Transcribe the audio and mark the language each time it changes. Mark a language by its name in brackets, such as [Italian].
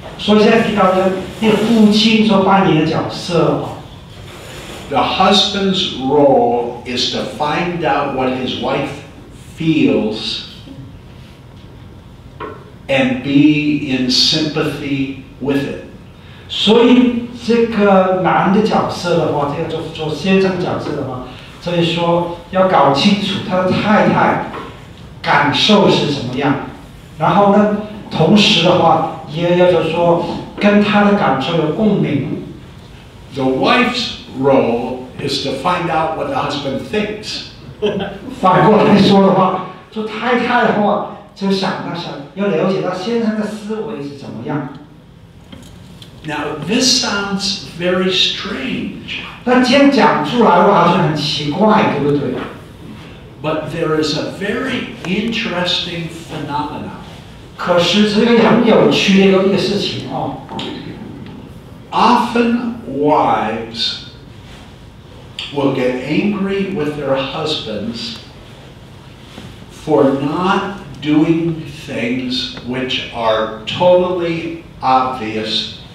[Chinese] 所以现在提到的那个父亲所扮演的角色。 [English] The husband's role is to find out what his wife feels and be in sympathy with it. [Chinese] 所以这个男的角色的话，这个做先生角色的话，所以说要搞清楚他的太太感受是什么样，然后呢，同时的话也要就说跟他的感受有共鸣。 [English] The wife's role is to find out what the husband thinks. [Chinese] 反过来说的话，说太太的话就想到想要了解到先生的思维是怎么样。 [English] Now this sounds very strange. [Chinese] 那今天讲出来的话好像很奇怪，对不对？ [English] But there is a very interesting phenomenon. [Chinese] 可是这个很有趣的一个事情哦。 [English] Often wives will get angry with their husbands for not doing things which are totally obvious.